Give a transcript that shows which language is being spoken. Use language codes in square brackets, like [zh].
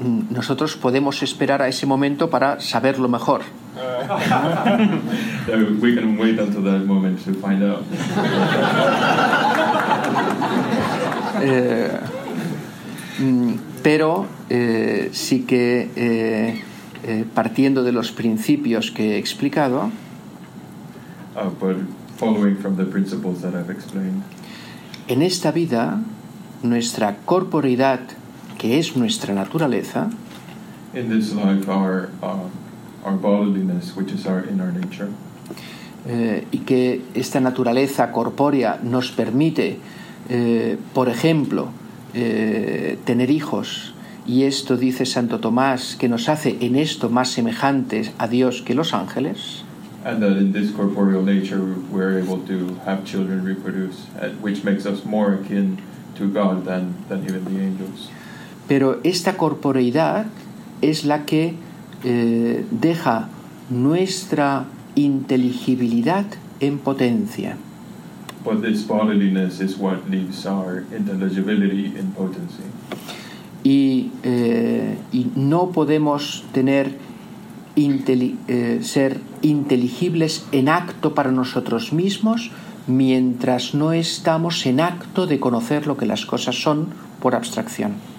[es] Nosotros podemos esperar a ese momento para saberlo mejor. [en] Yeah, we can wait until that moment to find out. [es] Pero sí que partiendo de los principios que he explicado, [en] but following from the principles that I've explained, [es] en esta vida nuestra corporeidad, que es nuestra naturaleza, [en] in this life our bodiliness, which is our, in our nature, [es] y que esta naturaleza corpórea nos permite, por ejemplo, tener hijos, y esto dice Santo Tomás, que nos hace en esto más semejantes a Dios que los ángeles. [en] And that in this corporeal nature we're able to have children, reproduce, which makes us more akin to God than even the angels. [es] Pero esta corporeidad es la que deja nuestra inteligibilidad en potencia. [en] But this bodiliness is what leaves our intelligibility in potency. [es] Y no podemos tener ser inteligibles en acto para nosotros mismos mientras no estamos en acto de conocer lo que las cosas son por abstracción.